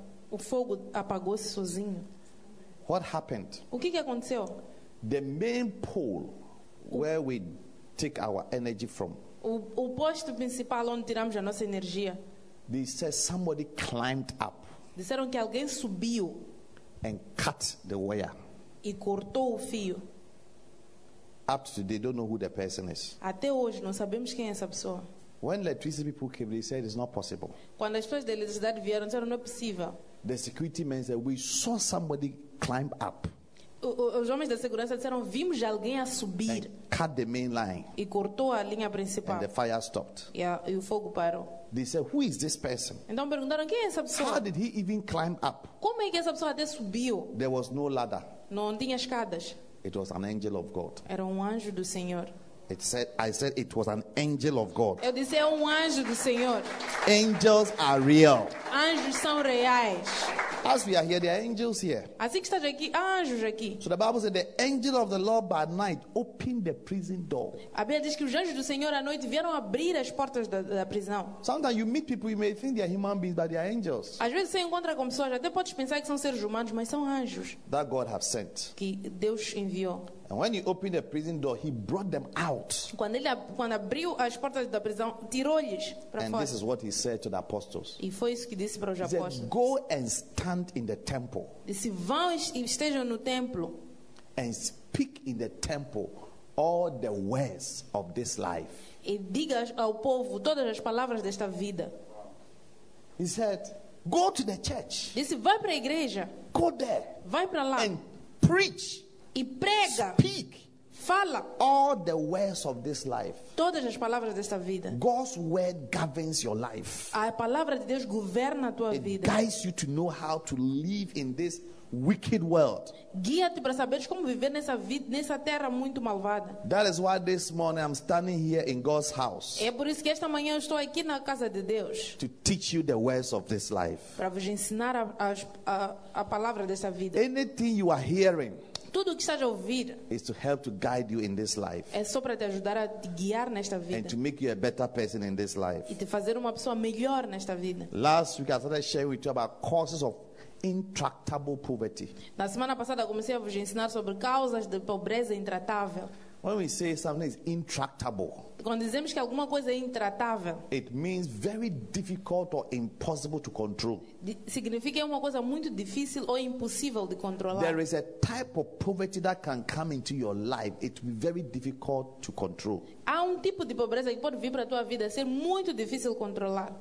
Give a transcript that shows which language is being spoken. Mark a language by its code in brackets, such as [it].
[pt] O fogo apagou-se sozinho. [en] What happened? [pt] O que aconteceu? [en] The main pole where we take our energy from. [pt] O posto principal onde tiramos a nossa energia. [en] They said somebody climbed up. [pt] Disseram que alguém subiu. [en] And cut the wire. [pt] E cortou o fio. [en] Up to today, don't know who the person is. [pt] Até hoje não sabemos quem é essa pessoa. [en] When electricity people came, they said it's not possible. [pt] Quando as pessoas de eletricidade vieram, disseram não é possível. [en] The security men said we saw somebody climb up. [pt] Os homens da segurança disseram vimos alguém a subir. [en] And cut the main line. [pt] E cortou a linha principal. [en] And the fire stopped. [pt] E o fogo parou. [en] They said who is this person? [pt] Então perguntaram quem é essa pessoa. [en] How did he even climb up? [pt] Como é que essa pessoa até subiu? [en] There was no ladder. [pt] Não tinha escadas. [en] It was an angel of God. [pt] Era anjo do Senhor. [en] It said, I said it was an angel of God. [pt] Eu disse, anjo do Senhor. [en] Angels are real. [pt] Anjos são reais. [en] As we are here, there are angels here. [pt] Assim que estás aqui, há anjos aqui. [en] So the Bible said the angel of the Lord by night opened the prison door. [pt] A Bíblia diz que os anjos do Senhor à noite vieram abrir as portas da prisão. [en] Sometimes you meet people, you may think they are human beings, but they are angels. [pt] Às vezes você encontra com pessoas, até podes pensar que são seres humanos, mas são anjos. [en] That God have sent. [pt] Que Deus enviou. [en] And when he opened the prison door, he brought them out. [pt] Quando abriu as portas da prisão, tirou-lhes para fora. [en] And this is what he said to the apostles. [pt] E foi isso que disse para os apóstolos. [en] He said, "Go and stand in the temple." [pt] Disse, vão e estejam no templo. [en] And speak in the temple all the words of this life. [pt] E diga ao povo todas as palavras desta vida. [en] He said, "Go to the church." [pt] Disse, vai para a igreja. [en] Go there. [pt] Vai para lá. [en] And preach. [pt] E prega. [en] Speak. [pt] Fala. [en] All the words of this life. [pt] Todas as palavras desta vida. [en] God's word governs your life. [pt] A palavra de Deus governa a tua [en] it [pt] vida. [en] It guides you to know how to live in this wicked world. [pt] Guia-te para saber como viver nessa vida, nessa terra muito malvada. [en] That is why this morning I'm standing here in God's house. [pt] É por isso que esta manhã eu estou aqui na casa de Deus. [en] To teach you the words of this life. [pt] Para vos ensinar a palavra desta vida. [en] Anything you are hearing. [pt] Tudo o que estás a ouvir [en] is to help to guide you in this life. [pt] É só para te ajudar a te guiar nesta vida. [en] And to make you a better person in this life. [pt] E te fazer uma pessoa melhor nesta vida. [en] Last week I started sharing with you about causes of intractable poverty. [pt] Na semana passada comecei a vos ensinar sobre causas de pobreza intratável. [en] When we say something is intractable, [pt] quando dizemos que alguma coisa é intratável, [en] it means very difficult or impossible to control. [pt] Significa uma coisa muito difícil ou impossível de controlar. [en] There is a type of poverty that can come into your life. It will be very difficult to control. [pt] Há tipo de pobreza que pode vir para tua vida ser muito difícil controlar.